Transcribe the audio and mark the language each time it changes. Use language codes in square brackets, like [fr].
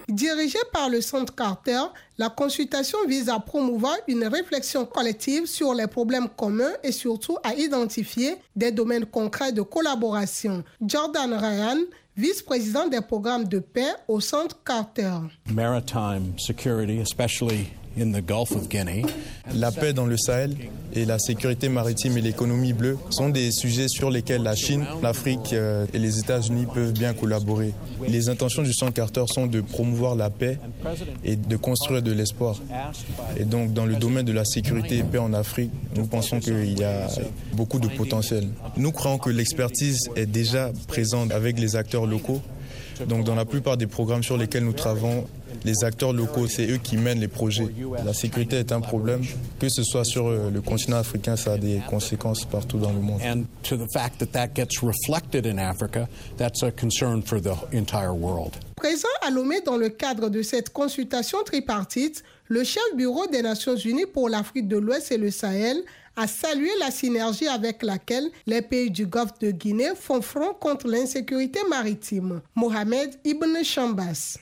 [fr] Dirigée par le Centre Carter, la consultation vise à promouvoir une réflexion collective sur les problèmes communs et surtout à identifier des domaines concrets de collaboration. Jordan Ryan, vice-président des programmes de paix au Centre Carter. [en] Maritime security, especially in the Gulf of Guinea. [fr] La paix dans le Sahel et la sécurité maritime et l'économie bleue sont des sujets sur lesquels la Chine, l'Afrique et les États-Unis peuvent bien collaborer. Les intentions du Centre Carter sont de promouvoir la paix et de construire de l'espoir. Et donc, dans le domaine de la sécurité et paix en Afrique, nous pensons qu'il y a beaucoup de potentiel. Nous croyons que l'expertise est déjà présente avec les acteurs locaux. Donc, dans la plupart des programmes sur lesquels nous travaillons, les acteurs locaux, c'est eux qui mènent les projets. La sécurité est un problème, que ce soit sur le continent africain, ça a des conséquences partout dans le monde. [en] And to the fact that that gets reflected in Africa, that's a concern for the entire world. [fr] Présent à Lomé dans le cadre de cette consultation tripartite, le chef bureau des Nations Unies pour l'Afrique de l'Ouest et le Sahel a salué la synergie avec laquelle les pays du golfe de Guinée font front contre l'insécurité maritime. Mohamed Ibn Chambas.